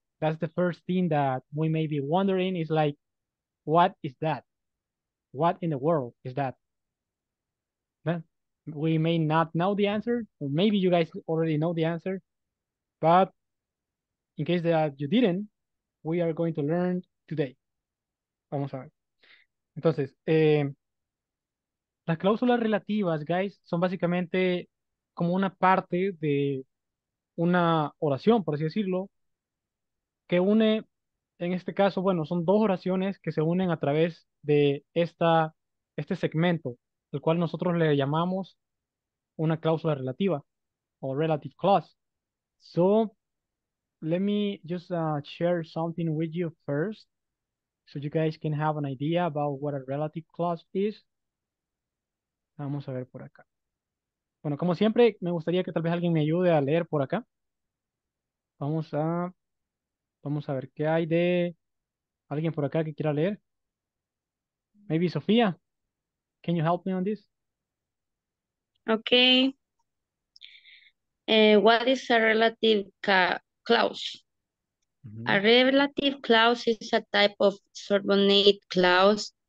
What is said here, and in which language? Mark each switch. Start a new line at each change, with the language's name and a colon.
English: That's the first thing that we may be wondering is like, what is that? What in the world is that? We may not know the answer, or maybe you guys already know the answer, but in case that you didn't, we are going to learn today.
Spanish: Vamos a ver. Entonces, las cláusulas relativas, guys, son básicamente como una parte de una oración, por así decirlo, que une, en este caso, bueno, son dos oraciones que se unen a través de este segmento, el cual nosotros le llamamos una cláusula relativa, o relative clause.
English: So, let me just share something with you first, so you guys can have an idea about what a relative clause is.
Spanish: Vamos a ver por acá. Bueno, como siempre, me gustaría que tal vez alguien me ayude a leer por acá. Vamos a ver qué hay de alguien por acá que quiera leer.
English: Maybe Sofía, can you help me on this? Okay. What is a relative clause? Mm-hmm. A relative clause is a type of subordinate clause.